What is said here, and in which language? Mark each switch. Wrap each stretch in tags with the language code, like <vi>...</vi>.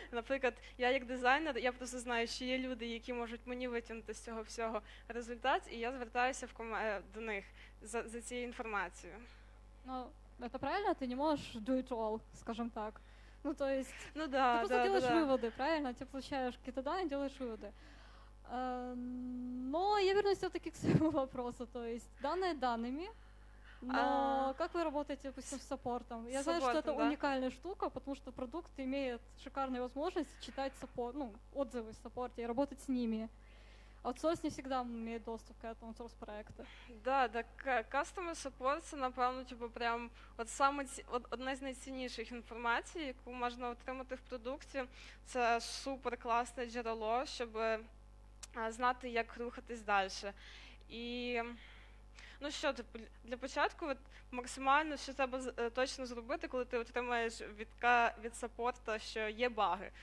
<uk>Наприклад, я як дизайнер, я просто знаю, що є люди, які можуть мені витягнути з цього всього результат, і я звертаюся до них за цією інформацією. Ну, це правильно, ти не можеш</uk> <en>do it all,</en> <uk>скажімо так.</uk> <ru>Ну, то есть, ну, да,</ru> <uk>ти просто робиш виводи, правильно? Ти получаєш якісь дані, робиш виводи.</uk> <ru>Но я вернусь все-таки к своему вопросу, то есть данные данными, но как вы работаете, допустим, с саппортом? Я знаю, что это уникальная штука, потому что продукт имеет шикарную возможность читать саппорт, ну, отзывы в саппорте и работать с ними. Аутсорс не всегда имеет доступ к этому, аутсорс проекта. Да, так</ru> <uk>customer support — це, напевно, типу, прям от саме одна з найцінніших інформацій, яку можна отримати в продукті. Це супер класне джерело, щоб знати, як рухатись далі. І, ну що, типу, для початку от максимально, що треба точно зробити, коли ти отримаєш від саппорта, що є баги.</uk>